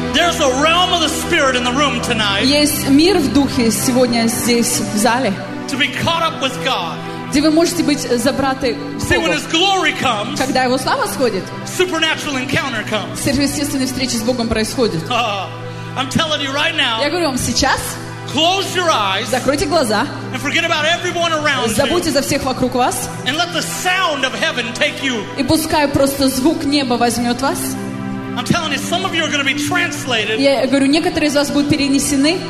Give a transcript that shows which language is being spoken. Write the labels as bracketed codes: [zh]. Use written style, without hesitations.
[en] There's a realm of the spirit in the room tonight. [ru] Есть мир в духе сегодня здесь в зале. [en] To be caught up with God. [ru] Где вы можете быть забраты в [en] See, when his glory comes, [ru] когда его слава сходит, [en] supernatural encounter comes. [ru] Сверхъестественные встречи с Богом происходят. [en] I'm telling you right now. [ru] Я говорю вам сейчас. [en] Close your eyes. [ru] Закройте глаза. [en] And forget about everyone around you. [ru] Забудьте за всех вокруг вас. [en] And let the sound of heaven take you. [ru] И пускай просто звук неба возьмет вас. [en] I'm telling you, some of you are going to be translated. [ru] Я говорю, некоторые из вас будут перенесены